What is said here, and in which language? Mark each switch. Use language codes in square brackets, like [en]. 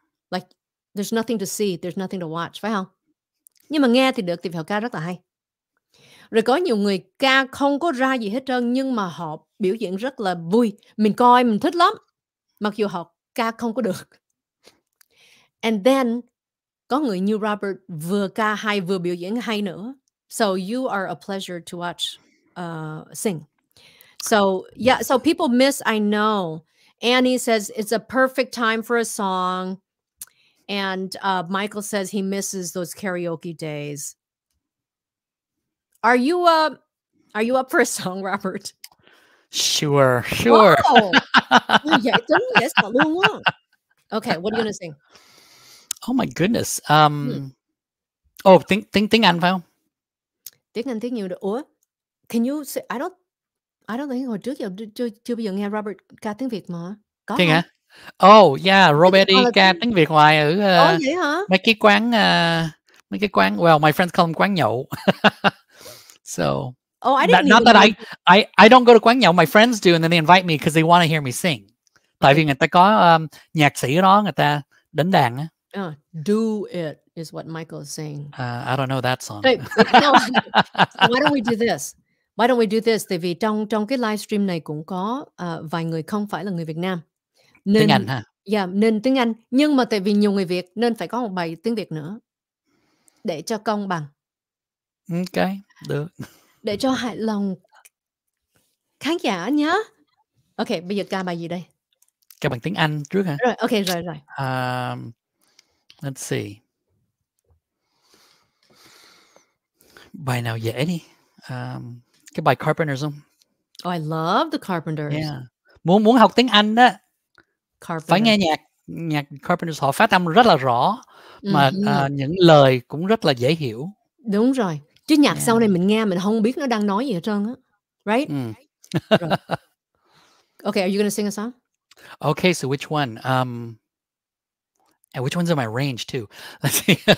[en] Like there's nothing to see, there's nothing to watch, [vi] phải không? Nhưng mà nghe thì được thì họ ca rất là hay. Rồi có nhiều người ca không có ra gì hết trơn nhưng mà họ biểu diễn rất là vui, mình coi mình thích lắm. Mặc dù họ ca không có được. [en] And then [vi] có người như Robert vừa ca hay vừa biểu diễn hay nữa. [en] So you are a pleasure to watch sing. So yeah, so people miss, I know. Annie says it's a perfect time for a song. And Michael says he misses those karaoke days. Are you up for a song, Robert? Sure, sure. Okay, what are you gonna sing? Oh my goodness. Oh, [vi] tiếng Anh phải không? Tiếng Anh tiếng nhiều. Ủa, [en] can you say? I don't think [vi] hồi trước chưa bao giờ nghe Robert ca tiếng Việt mà. Có tiếng hả? Oh yeah, Robert ca tiếng Việt ngoài ở mấy cái quán. [en] Well, my friends call them quán nhậu. So, oh, I didn't not that know. I don't go to quán nhậu. My friends do, and then they invite me because they want to hear me sing. [vi] Tại vì người ta có nhạc sĩ đó, người ta đánh đàn. [en] Do it is what Michael is saying. I don't know that song. Why don't we do this? Why don't we do this? [vi] Tại vì trong cái live stream này cũng có vài người không phải là người Việt Nam. Nên, tiếng Anh hả? Yeah, nên tiếng Anh. Nhưng mà tại vì nhiều người Việt nên phải có một bài tiếng Việt nữa để cho công bằng. Ok, được. Để cho hài lòng khán giả nhá. Ok, bây giờ ca bài gì đây? Ca bằng tiếng Anh trước hả? Rồi, ok, rồi. [en] Let's see. [vi] Bài nào dễ đi. Cái bài Carpenters không? [en] Oh, I love the Carpenters. Yeah. [vi] Muốn học tiếng Anh đó, phải nghe nhạc Carpenters. Họ phát âm rất là rõ. Mà những lời cũng rất là dễ hiểu. Đúng rồi. Chứ nhạc sau này mình nghe mình không biết nó đang nói gì hết trơn á. [en] Right? Mm. Okay, are you going to sing a song? Okay, so which one? And which one's in my range too? Let's see.